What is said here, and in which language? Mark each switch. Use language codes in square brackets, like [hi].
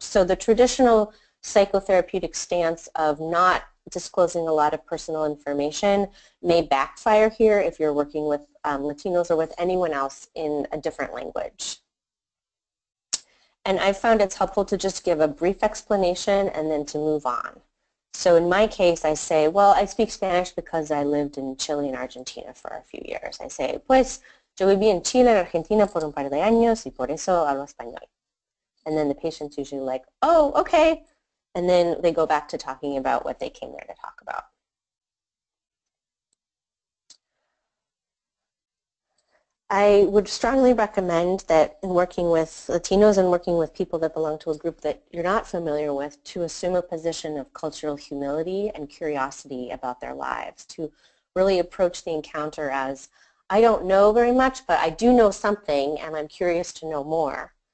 [en] So the traditional psychotherapeutic stance of not disclosing a lot of personal information may backfire here if you're working with Latinos or with anyone else in a different language. And I found it's helpful to just give a brief explanation and then to move on. So in my case, I say, well, I speak Spanish because I lived in Chile and Argentina for a few years. I say, [es] pues, yo viví en Chile y Argentina por un par de años y por eso hablo español. [en] And then the patient's usually like, oh, okay. And then they go back to talking about what they came there to talk about. I would strongly recommend that in working with Latinos and working with people that belong to a group that you're not familiar with, to assume a position of cultural humility and curiosity about their lives, to really approach the encounter as, I don't know very much, but I do know something, and I'm curious to know more.